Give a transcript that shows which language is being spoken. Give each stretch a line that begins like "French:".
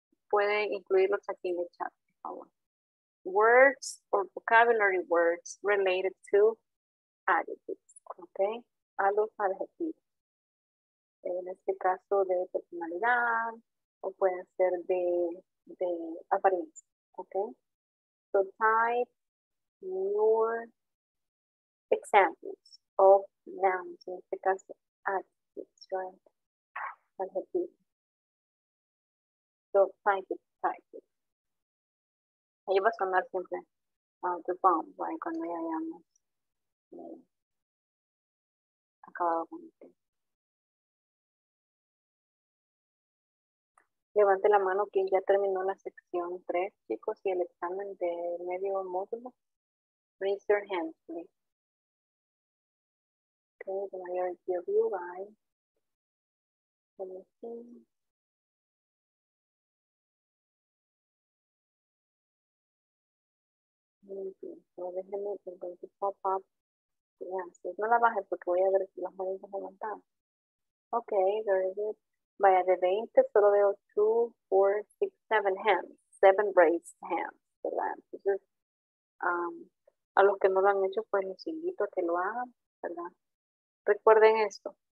Spanish: Puede incluirlos aquí en el chat, por favor.
English: Words or vocabulary words related to adjectives.
Spanish: Okay? A los adjetivos. En este caso de personalidad o puede ser de apariencia. Okay?
English: So type your examples of nouns, in this case, adjectives, right? Adjectives. So type it.
Spanish: Ahí va a sonar siempre
English: the bomb, right?
Spanish: Cuando ya hayamos acabado con el tema. Levante la mano quien ya terminó la sección 3, chicos, y el examen de medio módulo.
English: Raise your hands, please. Okay, the majority of you guys. Let me see.
Spanish: No, déjenme,
English: I'm going to pop up the answers.
Spanish: No la baje porque voy a ver las manitas levantadas. Ok,
English: very good.
Spanish: Vaya, de 20 solo veo 2, 4, 6, 7 hands. 7
English: raised hands,
Spanish: ¿verdad? Entonces, a los que no lo han hecho, pues los invito a que lo hagan, ¿verdad? Recuerden esto.